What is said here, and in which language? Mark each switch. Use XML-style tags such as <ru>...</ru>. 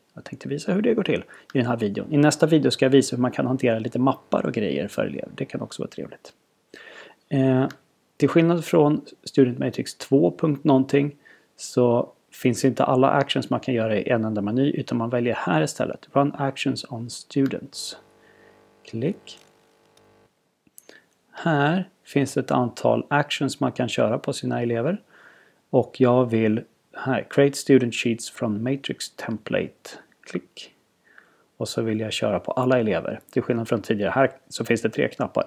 <sv>Jag tänkte visa hur det går till i den här videon. I nästa video ska jag visa hur man kan hantera lite mappar och grejer för elever. Det kan också vara trevligt. Till skillnad från Student Matrix 2.någonting så finns inte alla actions man kan göra i en enda meny. Utan man väljer här istället.</sv> <en>Run actions on students.</en> <sv>Klick. Här finns ett antal actions man kan köra på sina elever. Och jag vill här</sv> <en>create student sheets from matrix template.</en> <sv>Klick. Och så vill jag köra på alla elever. Till skillnad från tidigare här så finns det tre knappar.</sv>